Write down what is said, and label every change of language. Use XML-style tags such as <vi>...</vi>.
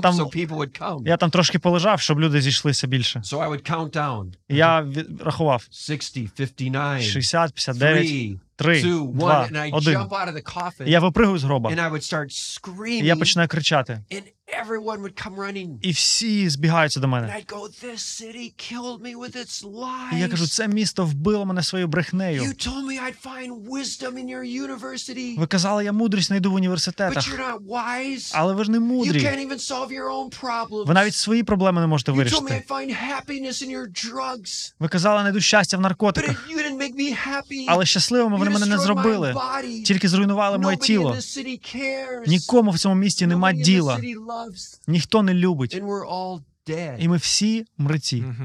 <uk>там,</uk> <en>so people would come.</en> <uk>Я там трошки полежав, щоб люди зійшлися більше.</uk> <en>So I would count down.</en> <uk>Я рахував.</uk> <en>60, 59, 3. 3, 2, 1, jump out of the coffin.</en> <uk>Я випригую з гроба.</uk> <en>And I would start screaming.</en> <uk>Я починаю кричати.</uk> <en>And everyone would come running.</en> <uk>І всі збігаються до мене.</uk> <en>And I'd go, this city killed me with its lies.</en> <uk>І я кажу, це місто вбило мене своєю брехнею.</uk> <en>You told me I'd find wisdom in your university.</en> <uk>Ви казали, я мудрість знайду в університетах.</uk> <en>But you're not wise.</en> <uk>Але ви ж не мудрі.</uk> <en>You can't even solve your own problems.</en> <uk>Ви навіть свої проблеми не можете вирішити.</uk> <en>You told me I'd find happiness in your drugs.</en> <uk>Ви казали, знайду щастя в наркотиках.</uk> <en>But you didn't make me happy.</en> <uk>Але щасливими вони мене не зробили, тільки зруйнували моє тіло. Нікому в цьому місті нема діла. Ніхто не любить. І ми всі мриці.</uk>